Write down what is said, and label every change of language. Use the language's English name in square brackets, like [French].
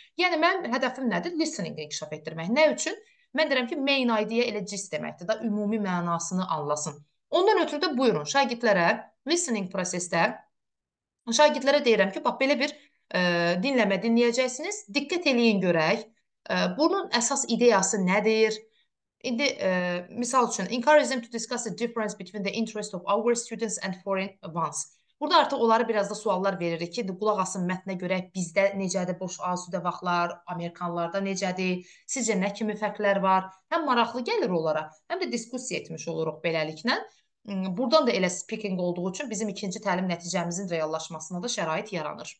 [Azerbaijani] Yəni, mənim hədəfim nədir? Listening-i inkişaf etdirmək. Nə üçün? Mən deyirəm ki, main idea elə gist deməkdir, da ümumi mənasını anlasın. Ondan ötürü də buyurun şagirdlərə listening prosesdə şagirdlərə deyirəm ki, bax belə bir dinləmə dinləyəcəksiniz. Diqqət eləyin görək. Bunun əsas ideyası nədir? İndi misal üçün, [English] encourage them to discuss the difference between the interest of our students and foreign ones. [Azerbaijani] Burada artıq onlara biraz da suallar veririk ki, qulaq asın mətnə görək bizdə necədir boş asudə vaxtlar, Amerikanlarda necədir, sizcə nə kimi fərqlər var? Həm maraqlı gəlir onlara, həm də diskussiya etmiş oluruq beləliklə. Buradan da elə speaking olduğu üçün bizim ikinci təlim nəticəmizin reallaşmasına da şərait yaranır.